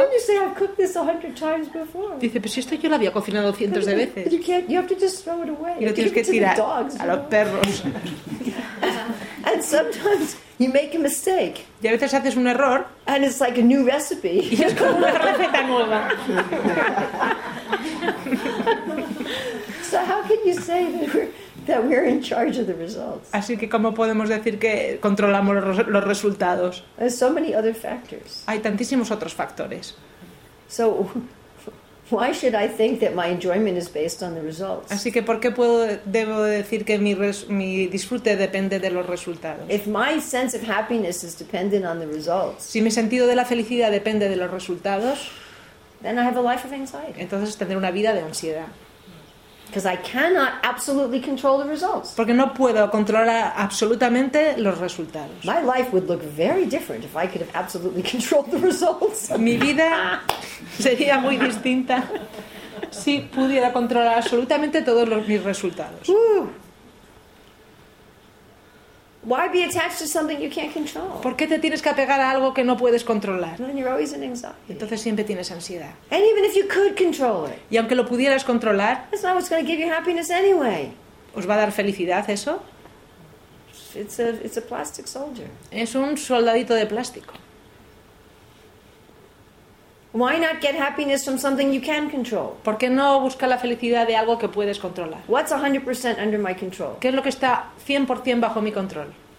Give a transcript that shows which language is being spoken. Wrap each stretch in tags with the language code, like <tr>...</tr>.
<en>And you say, I've cooked this 100 times before.</en> <es>Dice, pues esto yo lo había cocinado cientos de veces.</es> <en>You can't, you have to just throw it away.</en> <es>Y lo tienes que tirar</es> <en>to the dogs,</en> <es>a los perros.</es> <en>And sometimes you make a mistake.</en> <es>Y a veces haces un error.</es> <en>And it's like a new recipe.</en> <es>Y es como una receta nueva.</es> <en>So how can you say that we're in charge of the results?</en> <es>Así que cómo podemos decir que controlamos los resultados?</es> <en>There's so many other factors.</en> <es>Hay tantísimos otros factores.</es> <en>So why should I think that my enjoyment is based on the results?</en> <es>Así que ¿por qué debo decir que mi disfrute depende de los resultados?</es> <en>If my sense of happiness is dependent on the results,</en> <es>si mi sentido de la felicidad depende de los resultados,</es> <en>then I have a life of anxiety.</en> <es>Entonces tendré una vida de ansiedad.</es> <en>Because I cannot absolutely control the results.</en> <es>Porque no puedo controlar absolutamente los resultados.</es> <en>My life would look very different if I could have absolutely controlled the results.</en> <es>Mi vida sería muy distinta si pudiera controlar absolutamente todos mis resultados.</es> <en>Why be attached to something you can't control?</en> <es>¿Por qué te tienes que apegar a algo que no puedes controlar?</es> <en>Then you're always in anxiety.</en> <es>Entonces siempre tienes ansiedad.</es> <en>And even if you could control it,</en> <es>y aunque lo pudieras controlar,</es> <en>that's not what's going to give you happiness anyway.</en> <es>¿Os va a dar felicidad eso?</es> <en>It's a plastic soldier.</en> <es>Es un soldadito de plástico.</es> <en>Why not get happiness from something you can control?</en> <es>¿Por qué no buscar la felicidad de algo que puedes controlar?</es> <en>What's 100% under my control?</en> <es>¿Qué es lo que está 100% bajo mi control?</es>